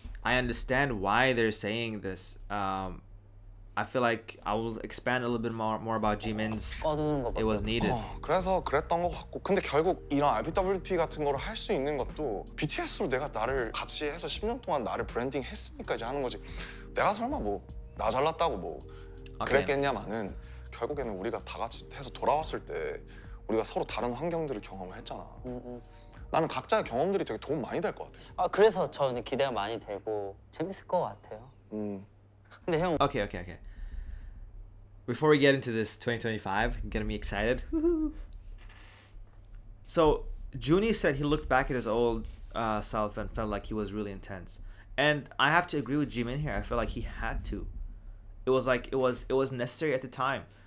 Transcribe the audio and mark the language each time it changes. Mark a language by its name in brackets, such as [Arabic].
[English] I understand why they're saying this. I feel like I will expand a little bit more about Jimin's. It was needed. [Korean] 그래서 그랬던 것 같고, 근데 결국 이런 IPWP 같은 거를 할 수 있는 것도 BTS로 내가 나를 같이 해서 10년 동안 나를 브랜딩 했으니까 이제 하는 거지. 내가 설마 뭐 나 잘났다고 뭐 그랬겠냐마는 결국에는 우리가 다 같이 해서 돌아왔을 때 우리가 서로 다른 환경들을 경험을 했잖아. 나는 각자의 경험들이 되게 도움 많이 될 것 같아. 아 그래서 저는 기대가 많이 되고 재밌을 것 같아요. 근데 형. [English] Okay, okay, okay. Before we get into this 2025, getting me excited. So Junie said he looked back at his old self and felt like he was really intense. And I have to agree with Jimin here. I feel like he had to. It was necessary at the time.